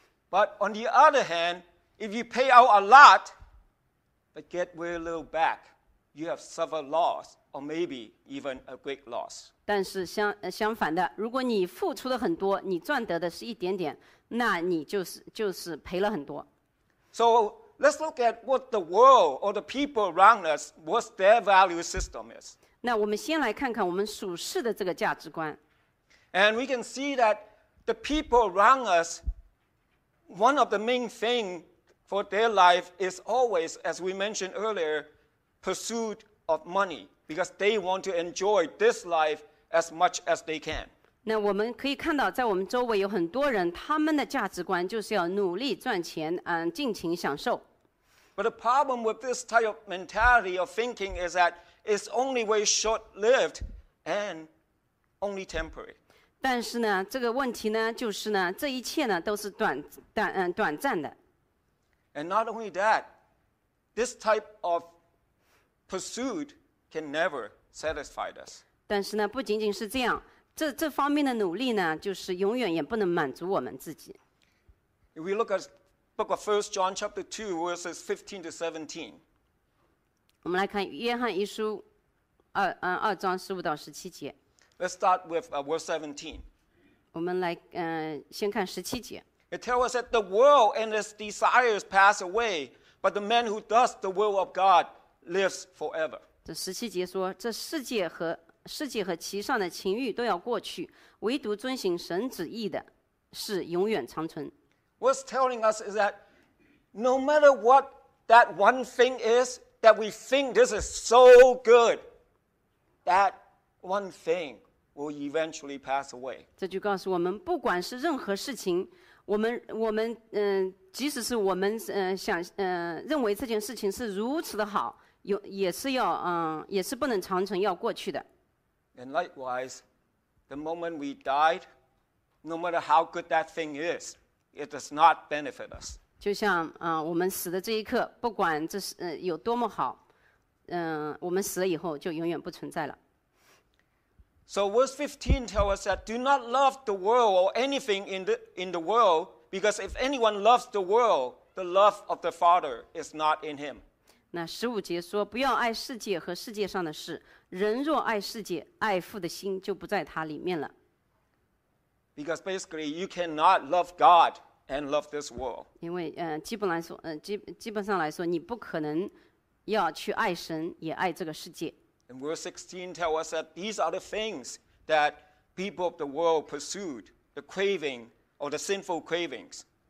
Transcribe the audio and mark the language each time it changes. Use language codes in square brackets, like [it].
[en] But on the other hand, if you pay out a lot, but get very little back, you have suffered loss. Or maybe even a great loss. [zh] 但是相反的，如果你付出的很多，你赚得的是一点点，那你就是赔了很多。 [en] So let's look at what the world or the people around us, what their value system is. [zh] 那我们先来看看我们属世的这个价值观。 [en] And we can see that the people around us, one of the main things for their life is always, as we mentioned earlier, pursuit of money. Because they want to enjoy this life as much as they can. [zh] 那我们可以看到，在我们周围有很多人，他们的价值观就是要努力赚钱，尽情享受。 [en] But the problem with this type of mentality of thinking is that it's only very short-lived and only temporary. [zh] 但是呢，这个问题呢，就是呢，这一切呢，都是短暂的。 [en] And not only that, this type of pursuit. Can never satisfy us. [zh] 但是呢，不仅仅是这样，这方面的努力呢，就是永远也不能满足我们自己。 [en] If we look at book of First John chapter 2 verses 15 to 17. [zh] 我们来看约翰一书二章十五到十七节。 [en] Let's start with verse 17. [zh] 我们来先看十七节。 [en] It tells us that the world and its desires pass away, but the man who does the will of God lives forever. [zh] 这十七节说，这世界和其上的情欲都要过去，唯独遵行神旨意的是永远长存。 [en] What's telling us is that no matter what that one thing is that we think this is so good, that one thing will eventually pass away. [zh] 这就告诉我们，不管是任何事情，我们即使是我们认为这件事情是如此的好。也是不能长存，要过去的。 [en] And likewise, the moment we died, no matter how good that thing is, it does not benefit us. [zh] 就像我们死的这一刻，不管这是有多么好，我们死了以后就永远不存在了。 [en] So verse 15 tells us that do not love the world or anything in the world, because if anyone loves the world, the love of the Father is not in him. [zh] 那十五节说，不要爱世界和世界上的事。人若爱世界，爱父的心就不在他里面了。 [en] Because basically, you cannot love God and love this world. [zh] 因为基本上来说，你不可能要去爱神也爱这个世界。 [en] And verse 16 tells us that these are the things that people of the world pursued, the craving or the sinful cravings.